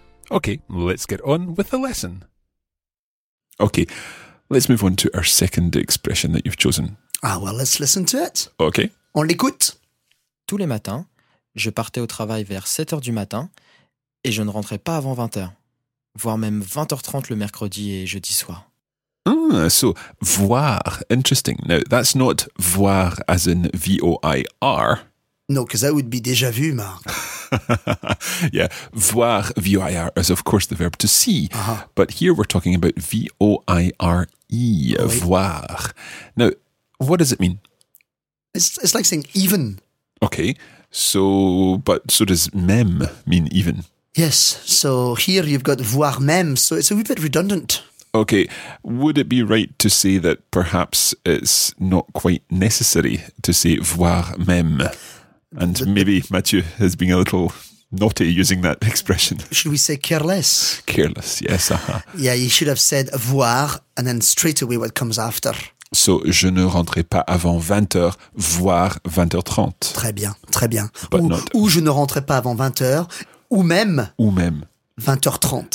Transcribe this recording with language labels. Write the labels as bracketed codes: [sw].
[en] Okay, let's get on with the lesson. Okay, let's move on to our second expression that you've chosen. Ah, well, let's listen to it. Okay. [fr] On l'écoute. Tous les matins, je partais au travail vers 7h du matin et je ne rentrais pas avant 20h, voire même 20h30 le mercredi et jeudi soir. [en] So, voir, interesting. Now, that's not voir as in V-O-I-R. No, because that would be déjà vu, Mark. Yeah, voir, V-O-I-R, is of course the verb to see. Uh-huh. But here we're talking about V-O-I-R-E, oui. Voir. Now, what does it mean? It's like saying even. Okay, so, but so does même mean even? Yes, so here you've got voir même, so it's a wee bit redundant. Okay, would it be right to say that perhaps it's not quite necessary to say voir même? And maybe Mathieu has been a little naughty using that expression. Should we say careless? Careless, yes. Uh-huh. Yeah, you should have said voir and then straight away what comes after. So, [fr] je ne rentrerai pas avant 20h, voire 20h30. Très bien, très bien. [en] But [fr] ou je ne rentrerai pas avant 20h, ou même 20h30.